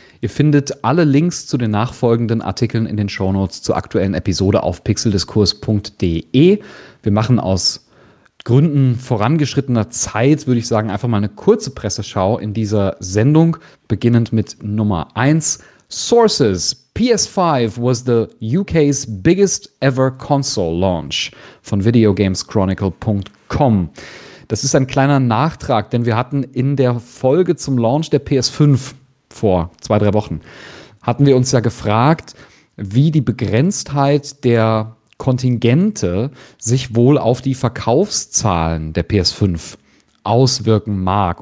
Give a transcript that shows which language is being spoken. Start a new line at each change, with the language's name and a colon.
German: Ihr findet alle Links zu den nachfolgenden Artikeln in den Shownotes zur aktuellen Episode auf pixeldiskurs.de. Wir machen aus Gründen vorangeschrittener Zeit, würde ich sagen, einfach mal eine kurze Presseschau in dieser Sendung, beginnend mit Nummer 1.
English: Sources: PS5 was the UK's biggest ever console launch, von videogameschronicle.com.
German: Das ist ein kleiner Nachtrag, denn wir hatten in der Folge zum Launch der PS5 vor 2-3 Wochen, hatten wir uns ja gefragt, wie die Begrenztheit der Kontingente sich wohl auf die Verkaufszahlen der PS5 auswirken mag.